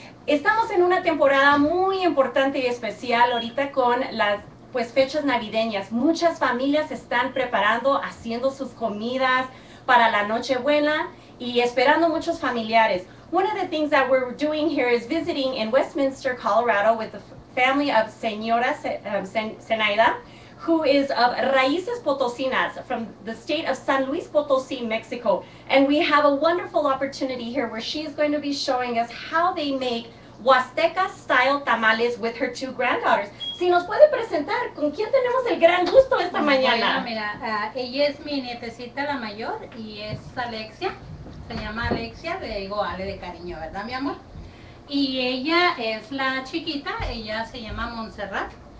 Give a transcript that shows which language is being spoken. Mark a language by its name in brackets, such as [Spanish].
[Spanish] Estamos en una temporada muy importante y especial ahorita con las fechas navideñas. Muchas familias están preparando, haciendo sus comidas para la Nochebuena y esperando muchos familiares. [English] One of the things that we're doing here is visiting in Westminster, Colorado with the family of Señora Zenaida, who is of Raíces Potosinas from the state of San Luis Potosí, Mexico. And we have a wonderful opportunity here where she is going to be showing us how they make Huasteca style tamales with her two granddaughters. [Spanish] Si nos puede presentar, ¿con quién tenemos el gran gusto esta mañana? Bueno, mira, ella es mi nietecita la mayor y es Alexia. Se llama Alexia, le digo Ale de cariño, ¿verdad, mi amor? Y ella es la chiquita, ella se llama Montserrat.